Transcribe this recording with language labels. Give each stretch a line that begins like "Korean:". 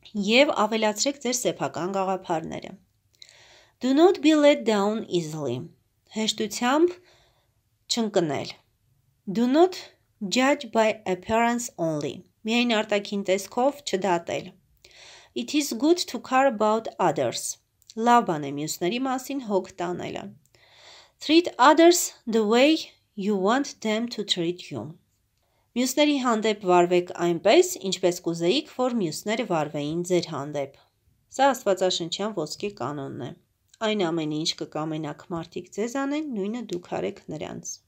Armenian: և ավելացրեք ձեր սեփական գաղափարները.
English: Do not be let down easily.
Armenian: Հեշտությամբ չընկնել.
English: Do not judge by appearance only.
Armenian: Միայն արտաքին տեսքով չդատել.
English: It is good to care about others.
Armenian: Լավ բան է մյուսների մասին հոգ տանելը.
English: Treat others the way you want them to treat you.
Armenian: Մյուսների հանդեպ վարվեք այնպես, ինչպես կուզեիք, որ մյուսները վարվեին ձեր հանդեպ. Սա աստվածաշնչյան ոսկե կանոնն է. Այն ամենի, ինչ կկամենաք մարդիկ ձեզ անեն, նույնը դուք արեք նրանց.